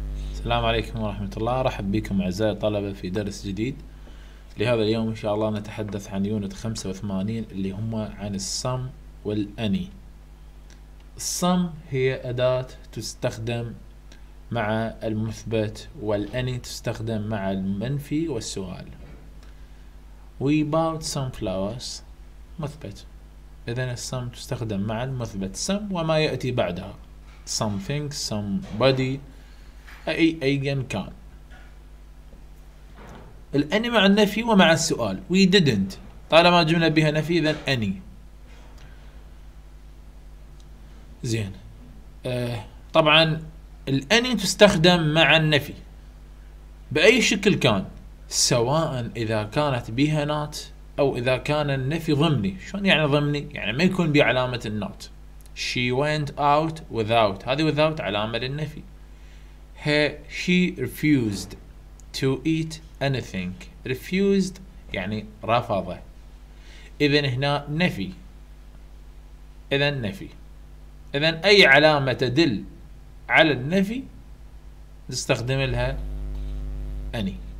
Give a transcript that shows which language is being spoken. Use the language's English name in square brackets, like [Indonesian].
[Arabic] السلام عليكم ورحمة الله، أرحب بكم أعزائي الطلبة في درس جديد لهذا اليوم. إن شاء الله نتحدث عن يونت 85 اللي هما عن الصم والأني. الصم هي أداة تستخدم مع المثبت، والأني تستخدم مع المنفي والسؤال. [English] We bought some flowers، [Arabic] مثبت. إذن الصم تستخدم مع المثبت some وما يأتي بعدها [English] something somebody [Arabic] أي كان. الأني مع النفي ومع السؤال [English] we didn't، [Arabic] طالما جملة بها نفي إذن أني. زين، طبعا الأني تستخدم مع النفي بأي شكل كان، سواء إذا كانت بها not أو إذا كان النفي ضمني. شلون يعني ضمني؟ يعني ما يكون بعلامة النوت. [English] She went out without، [Arabic] هذه [English] without [Arabic] علامة للنفي. [English] She refused to eat anything. [Arabic] Refused يعني رفض. إذن هنا نفي. إذن نفي. إذن أي علامة تدل على النفي نستخدم لها any.